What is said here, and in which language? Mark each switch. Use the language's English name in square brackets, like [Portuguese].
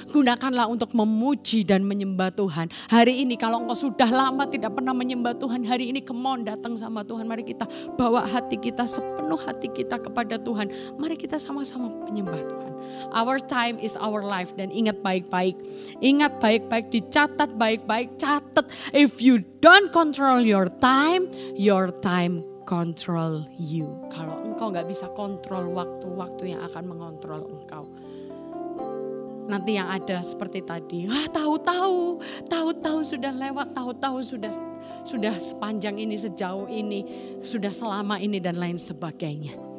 [Indonesian] Gunakanlah untuk memuji dan menyembah Tuhan. Hari ini kalau engkau sudah lama tidak pernah menyembah Tuhan, hari ini [English] come on, [Indonesian] datang sama Tuhan. Mari kita bawa hati kita, sepenuh hati kita kepada Tuhan. Mari kita sama-sama menyembah Tuhan. [English] Our time is our life. [Indonesian] Dan ingat baik-baik. Ingat baik-baik, dicatat baik-baik. Catat, [English] if you don't control your time control you. [Indonesian] Kalau engkau gak bisa kontrol waktu, waktu yang akan mengontrol engkau. Nanti yang ada seperti tadi, wah tahu-tahu sudah lewat, tahu-tahu sudah sepanjang ini, sejauh ini, sudah selama ini dan lain sebagainya.